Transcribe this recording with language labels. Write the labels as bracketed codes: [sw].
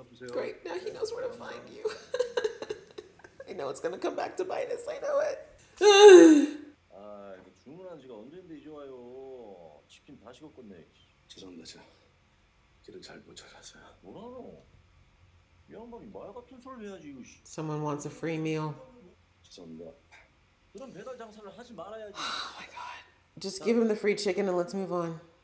[en] Great, now he knows where to find you. I know it's gonna come back to bite us, I know it. [ko] 주문한 지가 언젠데 이제 와요. 치킨 다 식었겠네. 죄송합니다. 저 길을 잘 못 찾아서요. 뭐라노? 이 양반이 말 같은 소리를 해야지. [en] Someone wants a free meal. [ko] 죄송합니다. 그런 배달 장사를 하지 말아야지. [en] Oh my god. Just give him the free chicken and let's move on.